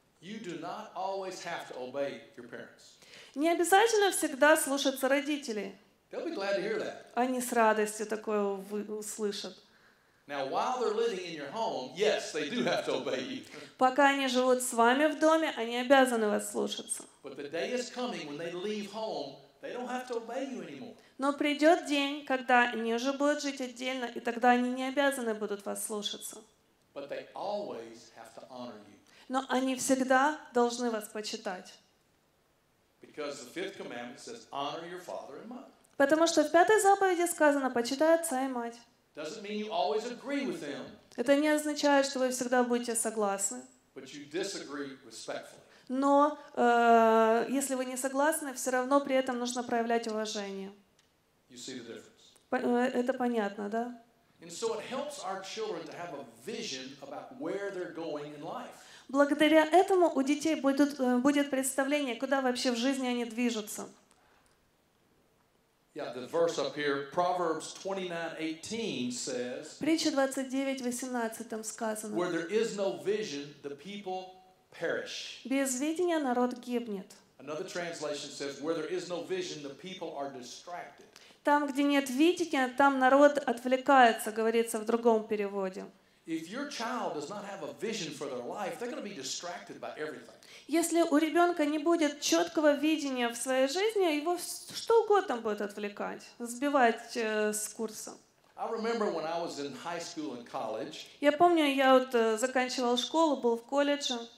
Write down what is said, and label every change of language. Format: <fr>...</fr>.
<en>You do not always have to obey your parents.</en> <ru>Не обязательно всегда слушаться родителей.</ru> <en>They'll be glad to hear that.</en> <ru>Они с радостью такое услышат.</ru> <en>Now, while they're living in your home, yes, they do have to obey you.</en> <ru>Пока они живут с вами в доме, они обязаны вас слушаться.</ru> <en>But the day is coming when they leave home, they don't have to obey you anymore.</en> <ru>Но придет день, когда они уже будут жить отдельно, и тогда они не обязаны будут вас слушаться.</ru> <en>But they always have to honor you.</en> <ru>Но они всегда должны вас почитать.</ru> <en>Because the fifth commandment says, honor your father and mother.</en> <ru>Потому что в пятой заповеди сказано, почитай отца и мать.</ru> <en>Doesn't mean you always agree with them.</en> <ru>Это не означает, что вы всегда будете согласны.</ru> <en>But you disagree respectfully.</en> <ru>Но если вы не согласны, все равно при этом нужно проявлять уважение.</ru> <en>You see the difference.</en> <ru>Это понятно, да?</ru> <en>And so it helps our children to have a vision about where they're going in life.</en> <ru>Благодаря этому у детей будет представление, куда вообще в жизни они движутся.</ru> <en>Yeah, the verse up here, Proverbs 29:18 says.</en> <ru>Притча 29:18 там сказано.</ru> <en>Where there is no vision, the people perish.</en> <ru>Без видения народ гибнет.</ru> <en>Another translation says, where there is no vision, the people are distracted.</en> <ru>Там, где нет видения, там народ отвлекается, говорится в другом переводе.</ru> <en>If your child does not have a vision for their life, they're going to be distracted by everything.</en> <ru>Если у ребенка не будет четкого видения в своей жизни, его что угодно будет отвлекать, сбивать с курса. Я помню, я вот заканчивал школу, был в колледже.</ru>